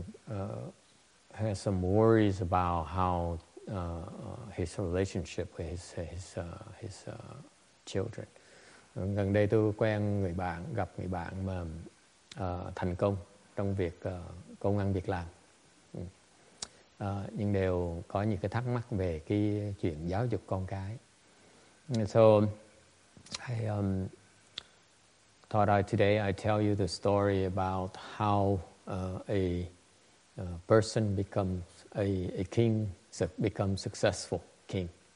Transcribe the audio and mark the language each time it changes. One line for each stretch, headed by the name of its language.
English: And he has some worries about how his relationship with his children.
Vietnamese: Gần đây tôi quen người bạn, gặp người bạn mà thành công trong việc công ăn việc làm. Nhưng đều có những cái thắc mắc về cái chuyện giáo dục con cái.
English: So I thought today I tell you the story about how a person becomes a king, become successful king.